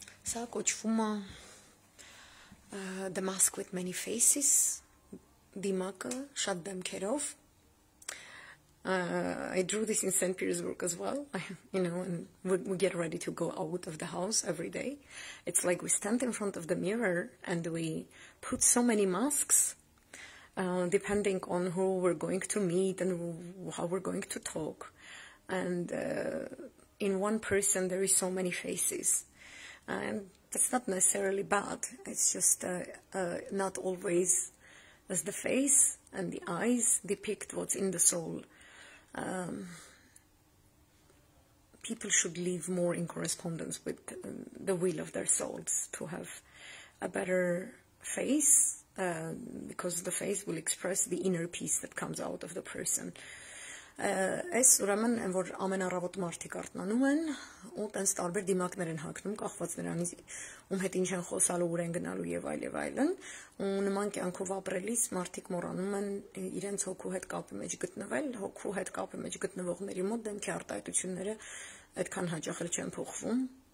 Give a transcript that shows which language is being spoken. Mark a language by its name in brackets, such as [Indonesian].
[Armenian] Սա կոչվում է The Mask with Many Faces, դիմակը շատ դեմքերով. [English] I drew this in St. Petersburg as well, you know, and we get ready to go out of the house every day. It's like we stand in front of the mirror and we put so many masks, depending on who we're going to meet and how we're going to talk. And in one person, there is so many faces. And that's not necessarily bad. It's just not always as the face and the eyes depict what's in the soul. People should live more in correspondence with the will of their souls to have a better face. Because the face will express the inner peace that comes out of the person. [Armenian] Այս ուրեմն են, որ ամենառավոտ մարդիկ արթնանում են, ու տենց տարբեր դիմակներ են հագնում, կախված նրանից, ում հետ ինչ են խոսալու, ուր են գնալու եւ այլ եւ այլն, ու նման կյանքով ապրելիս մարդիկ մոռանում են իրենց հոգու հետ կապի մեջ գտնվել, հոգու հետ կապի մեջ գտնվողների մոտ դեմքի արտահայտությունները այդքան հաճախ չեն փոխվում,